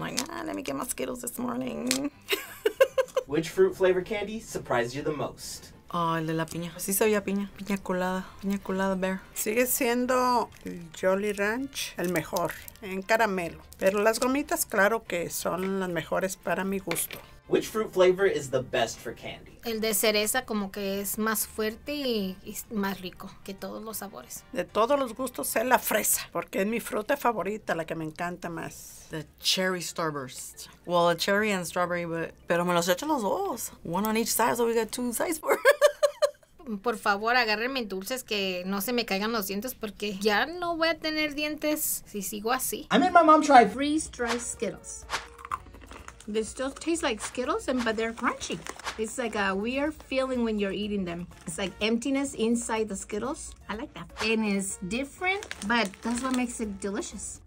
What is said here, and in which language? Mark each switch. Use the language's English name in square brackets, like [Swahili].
[English] Like, ah, let me get my Skittles this morning. Which fruit flavor candy surprised you the most? [Spanish] Oh, el de la piña. Sí sabía piña. Piña colada. Piña colada bear. Sigue siendo el Jolly Ranch el mejor en caramelo. Pero las gomitas, claro que son las mejores para mi gusto. [English] Which fruit flavor is the best for candy? [Spanish] El de cereza como que es más fuerte y más rico que todos los sabores. De todos los gustos es la fresa, porque es mi fruta favorita, la que me encanta más. [English] The cherry starburst. Well, a cherry and strawberry, but... [Spanish] Pero me los echo los dos. [English] One on each side, so we got two sides for. [Spanish] Por favor, agárrenme dulces que no se me caigan los dientes porque ya no voy a tener dientes si sigo así. [English] I made my mom try freeze-dried Skittles. They still taste like Skittles, but they're crunchy. It's like a weird feeling when you're eating them. It's like emptiness inside the Skittles. I like that. And it's different, but that's what makes it delicious.